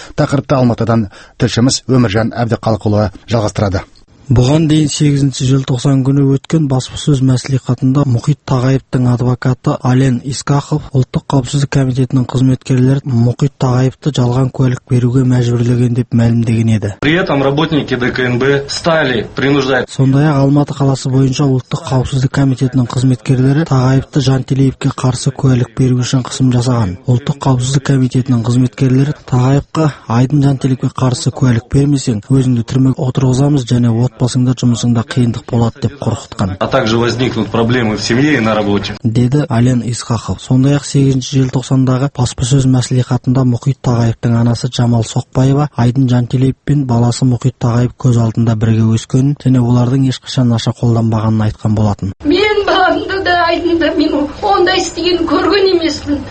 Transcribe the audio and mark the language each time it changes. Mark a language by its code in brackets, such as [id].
[kk] Тақырыпты Алматыдан тілшіміз Өміржан Әбдіқалықұлы жалғастырады. Бұған дейін 8-ші желтоқсан күні өткен баспасөз мәслихатында Мұхит Тағаевтың адвокаты Ален Искахов ұлттық қауіпсіздік комитетінің қызметкерлері Мұхит Тағаевты жалған куәлік беруге мәжбүрлеген деп мәлімдеген еді. [ru] При этом работники ДКНБ стали принуждать. [kk] Сондай-ақ Алматы қаласы бойынша ұлттық қауіпсіздік комитетінің қызметкерлері Тағаевты Жантелеевке қарсы куәлік беру үшін қысым жасаған. Ұлттық қауіпсіздік комитетінің қызметкерлері Тағаевқа Айдын Жантелеевке қарсы куәлік бермесең, өзіңді түрмеге отырғызамыз және отбасыңда жұмысыңда қиындық болады деп қорқытқан. [ru] А также возникнут проблемы в семье и на работе. [kk] Деді Ален Исхақов. Сондай-ақ 8-ші желтоқсандағы баспасөз мәслихатында Мұхит Тағаевтың анасы Жамал Соқпаева Айдын Жантелеев пен баласы Мұхит Тағаев көз алдында бірге өскенін және олардың ешқашан наша қолданбағанын айтқан болатын. Мен баламды да Айдынды мен ондай істегенін көрген емеспін.